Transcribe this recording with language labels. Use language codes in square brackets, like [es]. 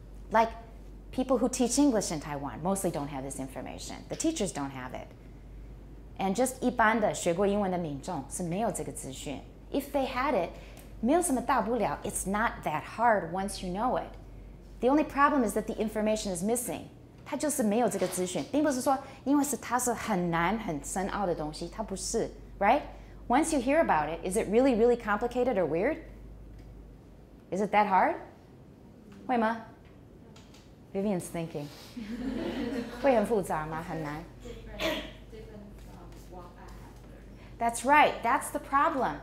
[en] Like people who teach English in Taiwan mostly don't have this information. The teachers don't have it. And just [zh] 一般的学过英文的民众是没有这个资讯. [en] If they had it, [zh] 没有什么大不了, [en] it's not that hard once you know it. The only problem is that the information is missing. [zh] 它就是没有这个资讯,并不是说因为它是很难很深奥的东西,它不是, [en] right? Once you hear about it, is it really, really complicated or weird? Is it that hard? [zh] 会吗? [en] Vivian's thinking. [zh] 会很复杂吗?很难? [en] That's right. That's the problem.